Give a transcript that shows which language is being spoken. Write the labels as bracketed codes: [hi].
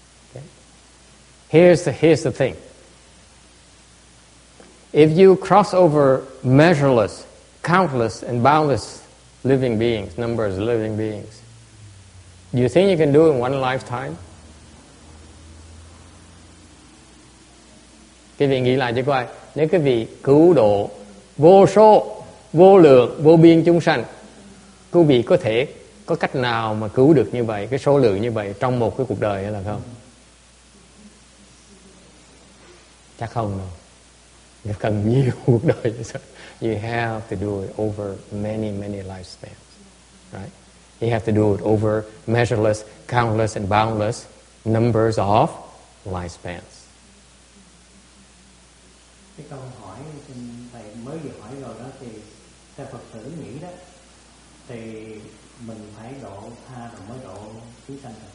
[en] Okay. Here's the thing. If you cross over measureless, countless, and boundless living beings, numbers of living beings, do you think you can do it in one lifetime? [vi] Quý vị nghĩ lại cho coi, nếu quý vị cứu độ vô số, vô lượng, vô biên chúng sanh, quý vị có thể có cách nào mà cứu được như vậy, cái số lượng như vậy trong một cái cuộc đời hay là không? Chắc không đâu. [en] You can do it. You have to do it over many, many lifespans, right? You have to do it over measureless, countless, and boundless numbers of lifespans. [vi] Cái câu hỏi thầy mới vừa hỏi rồi đó thì theo Phật tử nghĩ đó thì mình phải độ tha rồi mới độ chúng sanh.